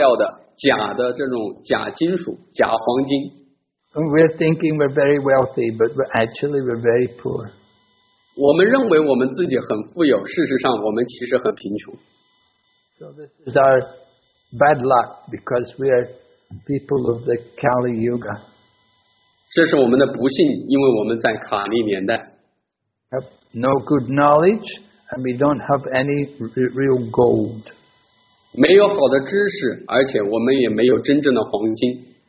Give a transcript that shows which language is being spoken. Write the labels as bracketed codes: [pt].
[zh] 但是我们看我们星球上的人非常的贫穷，我们用的都是塑料的、假的这种假金属、假黄金。 [en] We're thinking we're very wealthy, but actually we're very poor. [zh] 我们认为我们自己很富有，事实上我们其实很贫穷。 [en] So this is our bad luck because we are people of the Kali Yuga. [zh] 这是我们的不幸，因为我们在卡利年代。 [en] Have no good knowledge, and we don't have any real gold. [zh] 没有好的知识，而且我们也没有真正的黄金。